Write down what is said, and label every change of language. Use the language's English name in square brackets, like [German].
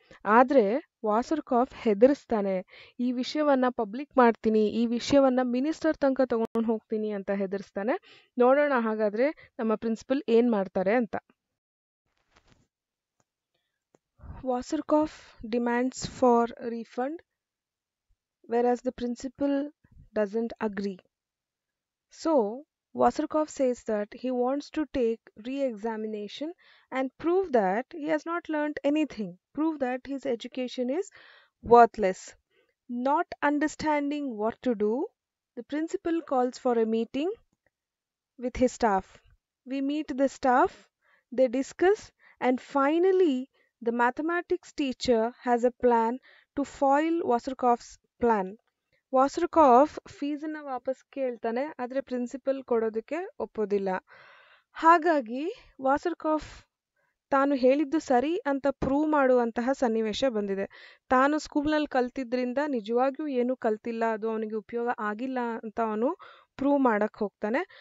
[Kannada] ಆದರೆ ವಾಸರ್ಕಾಫ್ ಹೆದರಿಸ್ತಾನೆ, ಈ ವಿಷಯವನ್ನು ಪಬ್ಲಿಕ್ ಮಾಡ್ತೀನಿ, ಈ ವಿಷಯವನ್ನು ಮಿನಿಸ್ಟರ್ ತನಕ ತೊಗೊಂಡು ಹೋಗ್ತೀನಿ ಅಂತ ಹೆದರಿಸ್ತಾನೆ. ನೋಡೋಣ ಹಾಗಾದರೆ ನಮ್ಮ ಪ್ರಿನ್ಸಿಪಲ್ ಏನು ಮಾಡ್ತಾರೆ ಅಂತ. [English] Wasserkopf demands for refund, whereas the principal doesn't agree. So Wasserkopf says that he wants to take re-examination and prove that he has not learnt anything, prove that his education is worthless. Not understanding what to do, the principal calls for a meeting with his staff. We meet the staff, they discuss, and finally the mathematics teacher has a plan to foil Wasserkopf's plan. [Kannada] ವಾಸರ್ಕಾಫ್ ಫೀಸನ್ನ ವಾಪಸ್ ಕೇಳ್ತಾನೆ, ಆದರೆ principal ಕೊಡೋದಕ್ಕೆ ಒಪ್ಪೋದಿಲ್ಲ. ಹಾಗಾಗಿ ವಾಸರ್ಕಾಫ್ ತಾನು ಹೇಳಿದ್ದು ಸರಿ ಅಂತ ಪ್ರೂವ್ ಮಾಡುವಂತಹ ಸನ್ನಿವೇಶ ಬಂದಿದೆ. ತಾನು ಸ್ಕೂಲ್ನಲ್ಲಿ ಕಲ್ತಿದ್ದರಿಂದ ನಿಜವಾಗಿಯೂ ಏನೂ ಕಲ್ತಿಲ್ಲ, ಅದು ಅವನಿಗೆ ಉಪಯೋಗ ಆಗಿಲ್ಲ ಅಂತ ಅವನು ಪ್ರೂವ್ ಮಾಡೋಕ್ಕೆ ಹೋಗ್ತಾನೆ.